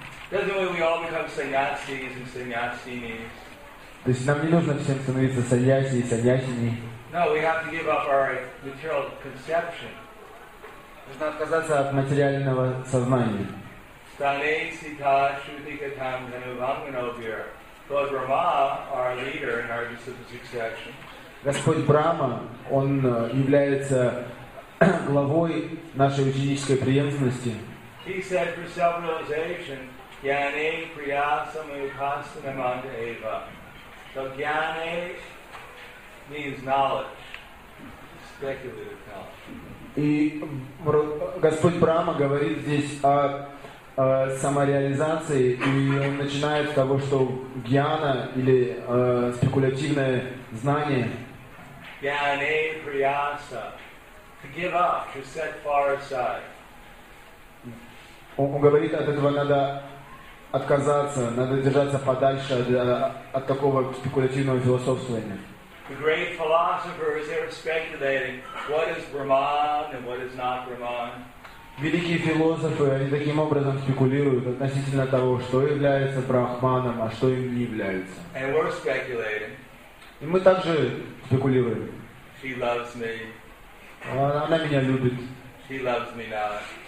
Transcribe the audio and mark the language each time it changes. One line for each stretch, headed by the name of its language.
English: Doesn't mean we all become sannyasis and sannyasinis.
Russian: То есть нам не нужно всем становиться саньяси и саньясини.
English: No, we have to give up our material conception.
Russian: Нужно отказаться от материального сознания.
Sanskrit: Стане сита шутикатам ганувангановир.
English: Лорд Брама, our leader in our Arjuna succession.
Russian: Господь Брама, он является главой нашей ученической преемственности.
English: He said for self-realization,
Sanskrit: Gyane priyasa mayupasana manda eva.
English: So jnana means knowledge, speculative knowledge.
Russian: И Господь Брама говорит здесь о самореализации, и он начинает с того, что гьяна или спекулятивное знание.
English: Jnana priyasa, to give up, to set far aside.
Russian: Он говорит, от этого надо отказаться, надо держаться подальше от такого спекулятивного философствования.
English: The great philosophers, they're speculating what is Brahman and what is not Brahman.
Russian: Великие философы, они таким образом спекулируют относительно того, что является Брахманом, а что им не является.
English: And we're speculating.
Russian: И мы также спекулируем.
English: She loves me.
Russian: Она меня любит.
English: She loves me not.